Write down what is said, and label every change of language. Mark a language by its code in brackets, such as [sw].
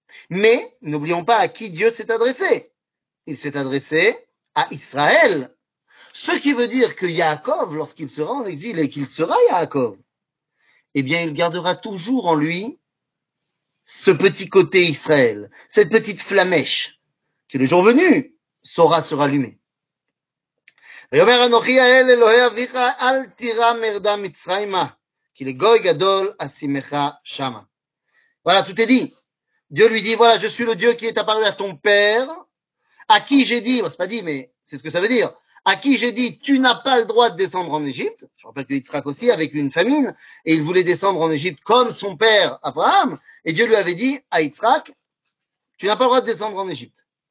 [fr] Mais n'oublions pas à qui Dieu s'est adressé. Il s'est adressé à Israël. Ce qui veut dire que Yaakov, lorsqu'il sera en exil et qu'il sera Yaakov, eh bien, il gardera toujours en lui ce petit côté Israël, cette petite flamèche qui, le jour venu, saura se rallumer. [he] ויאמר אנוכי האל אלוהי אביך אל תירא מרדה מצרימה כי לגוי גדול אשימך שמה. [fr] Voilà, tout est dit. Dieu lui dit, voilà, je suis le Dieu qui est apparu à ton père, à qui j'ai dit, bon, c'est pas dit, mais c'est ce que ça veut dire, à qui j'ai dit, tu n'as pas le droit de descendre en Égypte. Je rappelle que Yitzhak aussi, avec une famine, et il voulait descendre en Égypte comme son père Abraham, et Dieu lui avait dit à Yitzhak, tu n'as pas le droit de descendre en Égypte.